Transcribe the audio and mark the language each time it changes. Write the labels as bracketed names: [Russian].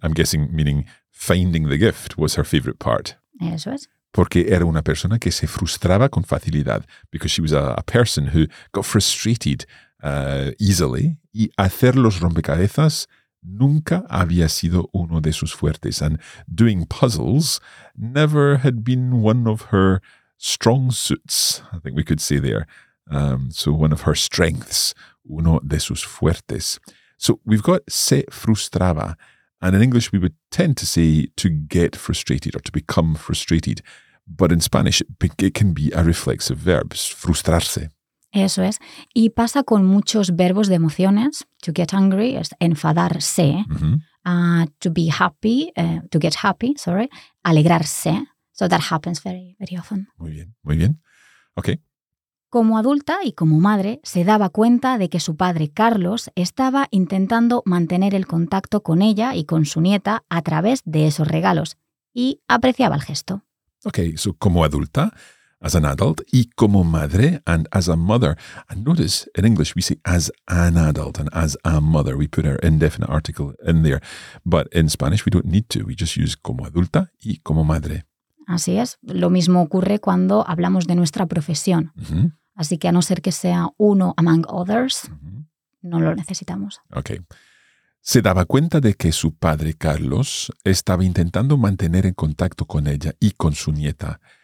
[English] I'm guessing, meaning finding the gift was her favorite part. [Spanish] Eso es. Porque era una persona que se frustraba con facilidad. [English] Because she was a person who got frustrated easily. [Spanish] Y hacer los rompecabezas nunca había sido uno de sus fuertes. [English] And doing puzzles never had been one of her strong suits, I think we could say there. So one of her strengths, [Spanish] uno de sus fuertes. [English] So we've got [Spanish] se frustraba, [English] and in English we would tend to say to get frustrated or to become frustrated, but in Spanish it can be a reflexive verb, frustrarse. [Spanish] Eso es. Y pasa con muchos verbos de emociones. [English] To get angry [Spanish] es enfadarse. Mm-hmm. [English] To get happy, alegrarse. So that happens very, very often. [Spanish] Muy bien, muy bien. Okay. Como adulta y como madre, se daba cuenta de que su padre Carlos estaba intentando mantener el contacto con ella y con su nieta a través de esos regalos, y apreciaba el gesto. [English] Okay, so [Spanish] como adulta, [English] as an adult, [Spanish] y como madre, [English] and as a mother. And notice, in English, we say as an adult and as a mother. We put our indefinite article in there. But in Spanish, we don't need to. We just use [Spanish] como adulta y como madre. Así es. Lo mismo ocurre cuando hablamos de nuestra profesión. Uh-huh. Así que a no ser que sea uno [English] among others, [Spanish] no lo necesitamos. [English] Okay. [Spanish] Se daba cuenta de que su padre, Carlos, estaba intentando mantener en contacto con ella y con su nieta.